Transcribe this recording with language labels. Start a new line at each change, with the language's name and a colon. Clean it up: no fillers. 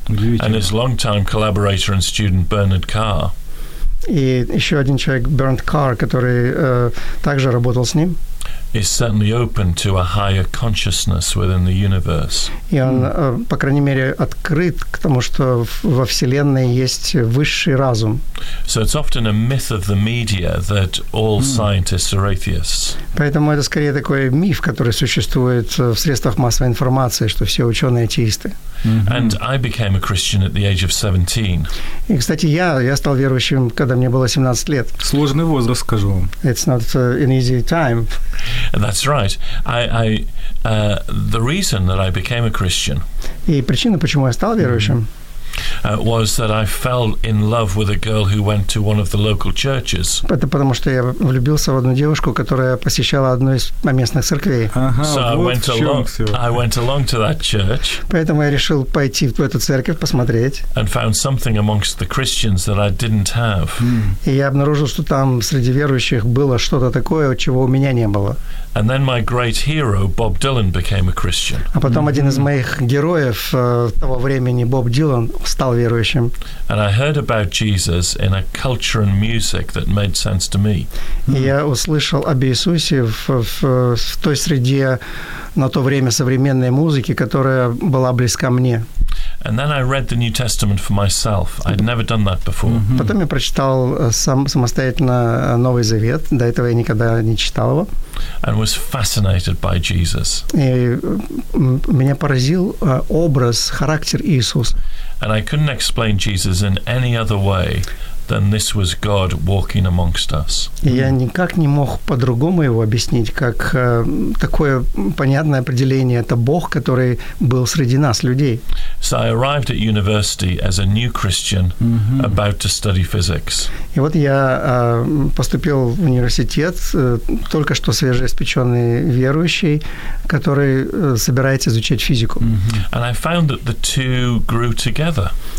English: And his longtime collaborator and student Bernard Carr.
Russian: И еще один человек, Бернт Карр, который также работал с ним.
English: Is certainly open to a higher consciousness within the universe.
Russian: И он, по крайней мере, открыт к тому, что во Вселенной есть высший разум.
English: So it's often a myth of the media that all scientists are atheists.
Russian: Поэтому это скорее такой миф, который существует в средствах массовой информации, что все ученые атеисты.
English: And I became a Christian at the age of 17.
Russian: И, кстати, я стал верующим, когда мне было 17 лет. Сложный возраст, скажу вам.
English: It's not an easy time. That's right. I the reason that I became a Christian.
Russian: И причина, почему я стал верующим.
English: Was that I fell in love with a girl who went to one of the local churches.
Russian: Это потому, что я влюбился в одну девушку, которая посещала одну из местных церквей.
English: So I went along to that church.
Russian: Поэтому я решил пойти в эту церковь, посмотреть.
English: And found something amongst the Christians that I didn't have.
Russian: И я обнаружил, что там среди верующих было что-то такое, чего у меня не было.
English: And then my great hero, Bob Dylan, became a Christian.
Russian: А потом один из моих героев того времени, Боб Дилан, стал верующим.
English: And I heard about Jesus in a culture and music that made sense to me.
Russian: Я услышал об Иисусе в той среде, на то время современной музыки, которая была близка мне.
English: And then I read the New Testament for myself. I'd never done that before.
Russian: Потом я прочитал самостоятельно Новый Завет. До этого я никогда не читал его.
English: And was fascinated by Jesus.
Russian: И меня поразил образ, характер Иисуса.
English: And I couldn't explain Jesus in any other way than this was God walking amongst us.
Russian: Я никак не мог по-другому его объяснить, как такое понятное определение. Это Бог, который был среди нас, людей.
English: So I arrived at university as a new Christian about to study physics.
Russian: И вот я поступил в университет, только что свежеиспеченный верующий, который собирается изучать физику.
English: And I found that the two grew together.